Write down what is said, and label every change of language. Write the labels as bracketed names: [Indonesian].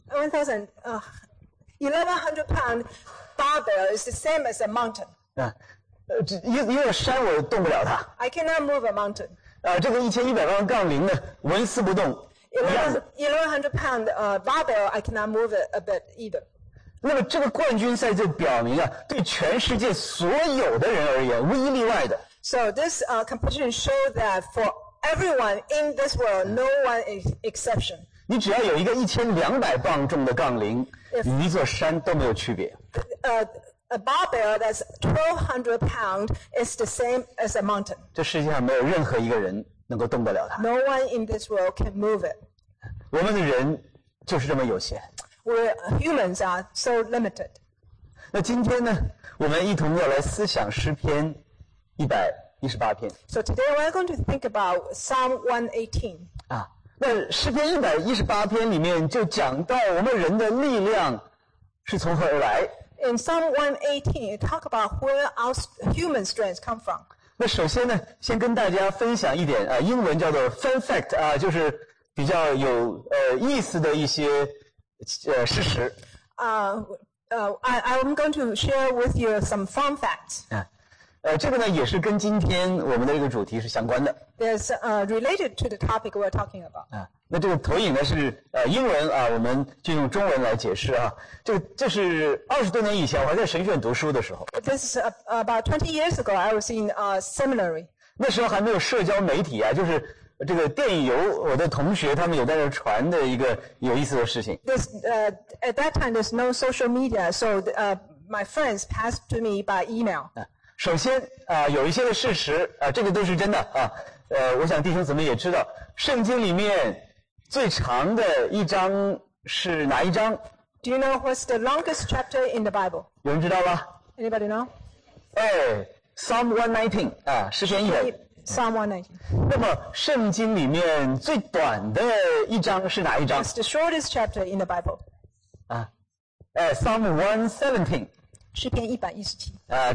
[English] 1100 pound barbell is the same as a mountain. [Chinese] 一座山我动不了它。 [English] I cannot move a mountain. [Chinese] 这个1100磅杠铃呢，纹丝不动。 [English] 1100 pound barbell, I cannot move it a bit either. [Chinese] 那么这个冠军赛就表明啊，对全世界所有的人而言，无一例外的。 [English] So this competition shows that for everyone in this world, no one is exception. [Chinese] 你只要有一个1200磅重的杠铃，与一座山都没有区别。 [English] A barbell that's 1200 pound is the same as a mountain. [Chinese] 这世界上没有任何一个人能够动得了它。 [English] No one in this world can move it. [Chinese] 我们的人就是这么有限。 [English] We humans are so limited. [Chinese] 那今天呢，我们一同要来思想诗篇118篇。 [English] So today we're going to think about Psalm 118. [Chinese] 啊，那诗篇118篇里面就讲到我们人的力量是从何而来。 [English] In Psalm 118, it talks about where our human strength come from. [Chinese] 那首先呢，先跟大家分享一点啊，英文叫做 fun fact 啊，就是比较有意思的一些事实。 [English] I'm going to share with you some fun facts. [Chinese] 这个呢也是跟今天我们的这个主题是相关的。 [English] It's related to the topic we're talking about. [Chinese] 那这个投影呢是英文啊，我们就用中文来解释啊。这是20多年以前我还在神学院读书的时候。 [English] This is about 20 years ago. I was in a seminary. [Chinese] 那时候还没有社交媒体啊，就是这个电邮，我的同学他们有在这传的一个有意思的事情。 [English] This at that time there's no social media, so my friends passed to me by email. [Chinese] 首先有一些的事实这个都是真的啊。我想弟兄姊妹也知道，圣经里面最长的一章是哪一章 [English] ？Do you know what's the longest chapter in the Bible？ [Chinese] 有人知道吗 [English] ？Anybody know？ [Chinese] 哎 ，Psalm 119诗篇一百。 [English] Psalm 119。 [Chinese] 那么圣经里面最短的一章是哪一章 [English] ？It's the shortest chapter in the Bible。 Psalm 117。 [Chinese] 诗篇117。